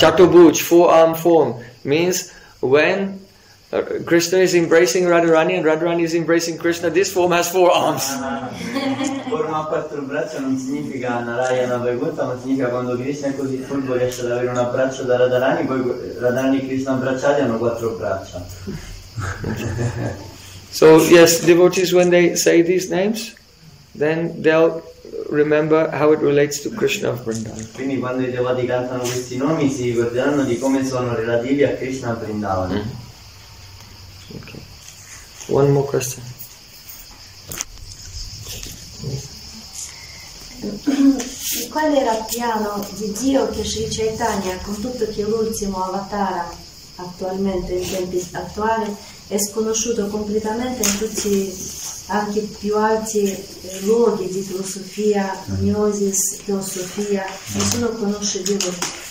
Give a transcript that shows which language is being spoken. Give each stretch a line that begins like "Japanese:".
English: Chaturbhuj, four-arm form, means when Krishna is embracing Radharani and Radharani is embracing Krishna, this form has four arms.
Italian: Forma a quattro braccia non significa Narayana Vaikuntha, ma significa quando Krishna è così furbo riesce ad avere un abbraccio da Radharani, poi Radharani e Krishna abbracciati hanno quattro braccia.
English: So, yes, devotees, when they say these names, then they'll remember how it relates to Krishna of Vrindavan.
Italian: Quindi quando I devoti cantano questi nomi si ricorderanno di come sono relativi a Krishna of Vrindavan.
English: Okay. One more question.
Italian: Qual era il piano di Dio che Sri Chaitanya, con tutto che l'ultimo avatar attualmente in tempi attuali, è sconosciuto completamente in tutti anche I più alti luoghi di teosofia, gnosis, teosofia, nessuno conosce Dio.